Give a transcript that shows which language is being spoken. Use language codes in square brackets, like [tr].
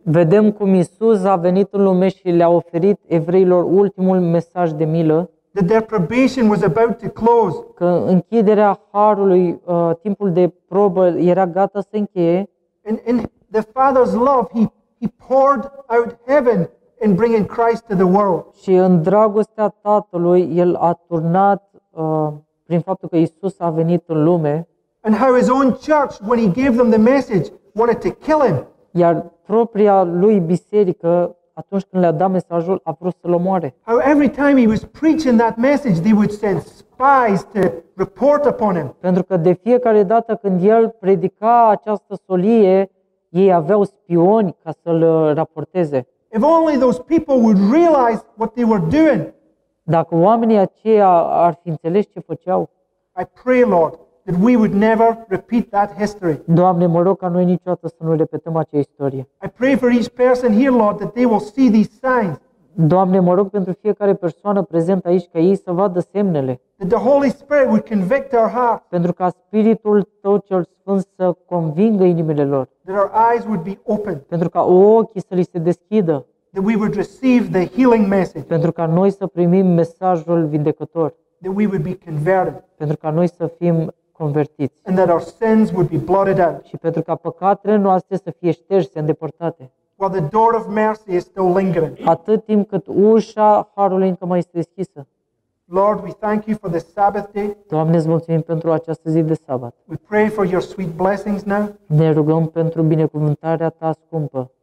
[ro] Vedem cum Isus a venit în lume și le-a oferit evreilor ultimul mesaj de milă. [en] That their probation was about to close. [ro] Că închiderea harului, timpul de probă era gata să încheie. [en] And in the Father's love, he poured out heaven in bringing Christ to the world. [ro] Și în dragostea Tatălui, el a turnat prin faptul că Isus a venit în lume. [en] And how his own church, when he gave them the message, wanted to kill him. [ro] Iar propria lui biserică, atunci când le-a dat mesajul, a vrut să-l omoare. [en] How every time he was preaching that message, they would send spies to report upon him. [ro] Pentru că de fiecare dată când el predica această solie, ei aveau spioni ca să-l raporteze. [en] If only those people would realize what they were doing. [ro] Dacă oamenii aceia ar fi înțeles ce făceau. [en] I pray, Lord, that we would never repeat that history. [ro] Doamne, mă rog ca noi niciodată să nu repetăm acea istorie. [en] I pray for each person here, Lord, that they will see these signs. [ro] Doamne, mă rog pentru fiecare persoană prezentă aici ca ei să vadă semnele. [en] That the Holy Spirit would convict our hearts. [ro] Pentru ca Spiritul Tău cel Sfânt să convingă inimile lor. [en] That our eyes would be opened. [ro] Pentru ca ochii să li se deschidă. [en] That we would receive the healing message. [ro] Pentru ca noi să primim mesajul vindecător. [en] That we would be converted. [ro] Pentru ca noi să fim convertiți. [en] And that our sins would be blotted out. [ro] Și pentru ca păcatele noastre să fie șterse, îndepărtate. [en] While the door of mercy is still lingering. [ro] Atât timp cât ușa harului încă mai este deschisă. [en] Lord, we thank you for the Sabbath day. [ro] Doamne, îți mulțumim pentru această zi de sabat. [en] We pray for your sweet blessings now. [ro] Ne rugăm pentru binecuvântarea ta scumpă.